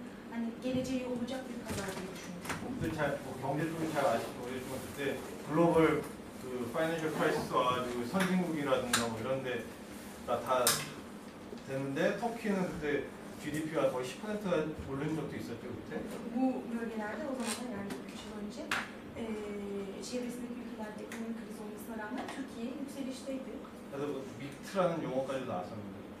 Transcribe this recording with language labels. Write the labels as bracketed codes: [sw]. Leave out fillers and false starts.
[ko] 아니 [tr] geleceği olacak bir kadar diye düşünüyorum. [ko] 근데 잘 뭐 경제 쪽은 잘 아시고 모르겠지만 그때 글로벌 그 파이낸셜 크라이시스 와가지고 선진국이라든가 뭐 이런 데가 다 됐는데 터키는 그때 GDP가 거의 10%가 오른 적도 있었죠 그때. 뭐 뭐였는데 우선은 [tr] yani 3년 전에 çevresindeki ülkelerde ekonomik kriz olmasına rağmen Türkiye yükselişteydi. [ko] 그래서 뭐 믹트라는 용어까지 나왔었는데.